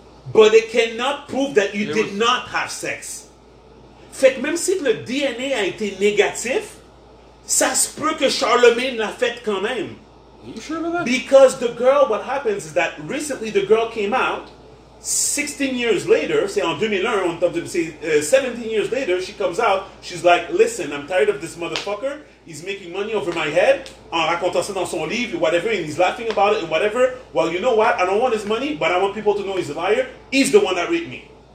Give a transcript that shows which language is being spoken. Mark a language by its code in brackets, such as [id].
[en] but it cannot prove that you did not have sex. [fr] Fait que même si le DNA a été négatif, ça se peut que Charlemagne l'a fait quand même. [en] Are you sure about that? Because the girl, what happens is that recently the girl came out, 16 years later, say en 2001, 17 years later, she comes out, she's like, listen, I'm tired of this motherfucker, he's making money over my head, [fr] en racontant ça dans son livre, [en] whatever, and he's laughing about it, and whatever, well, you know what, I don't want his money, but I want people to know he's a liar, he's the one that raped me.